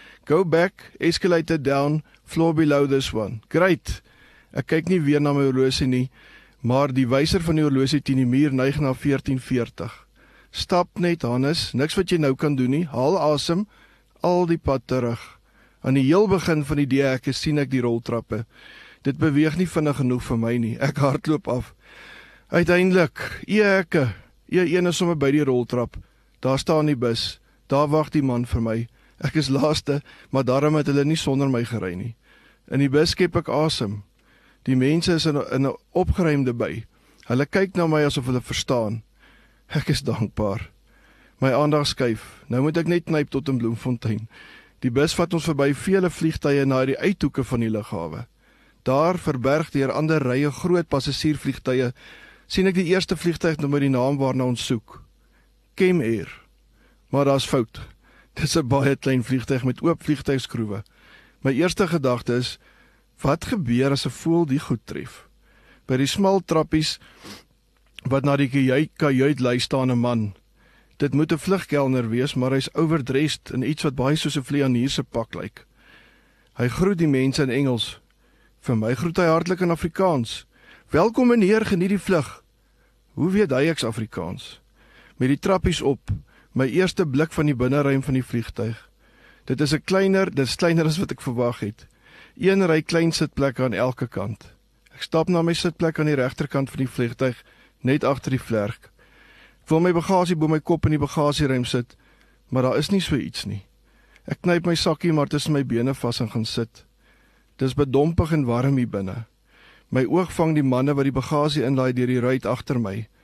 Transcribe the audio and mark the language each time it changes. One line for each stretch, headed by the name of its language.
English: "Go back, escalator down, floor below this one." "Great."
Afrikaans: Ek kyk nie weer na my horlosie nie, maar die wyser van die horlosie teen die muur neig na 14:40. "Stap net, Hannes, niks wat jy nou kan doen nie. Haal asem, al die pad terug." Aan die heel begin van die D-hekke sien ek die roltrappe. Dit beweeg nie vinnig genoeg vir my nie. Ek hardloop af. Uiteindelik, E-hekke. E1 is sommer by die roltrap. Daar staan die bus. Daar wag die man vir my. Ek is laaste, maar daarom het hulle nie sonder my gery nie. In die bus skep ek asem. Die mense is in 'n opgeruimde by. Hulle kyk na my asof hulle verstaan. Ek is dankbaar. My aandag skuif. Nou moet ek net knyp tot in Bloemfontein. Die bus vat ons verby vele vliegtuie na die uithoeke van die lughawe. Daar verberg deur ander rye groot passasiervliegtuie, sien ek die eerste vliegtuig nou met die naam waarna ons soek. Kem Air. Maar daar's fout. Dit is 'n baie klein vliegtuig met oop vliegtuigskroewe. My eerste gedagte is, wat gebeur as 'n voël die goed tref? By die smal trappies wat na die kajuit lei staan 'n man. Dit moet 'n vlugkelner wees, maar hy's overdressed in iets wat baie soos 'n vlieënierse pak lyk. Hy groet die mense in Engels. Vir my groet hy hartlik in Afrikaans. "Welkom meneer, geniet die vlug." Hoe weet hy ek's Afrikaans? Met die trappies op, my eerste blik van die binnenruim van die vliegtuig. Dit is kleiner as wat ek verwag het. Een ry klein sitplek aan elke kant. Ek stap na my sitplek aan die rechterkant van die vliegtuig, net achter die vlerk. Ek wil my bagasie bo my kop in die bagasieruim sit, maar daar is nie so iets nie. Ek knyp my sakkie maar tussen my bene vas en gaan sit. Dis bedompig en warm hier binne. My oog vang die manne wat die bagasie inlaai deur die ruit achter my.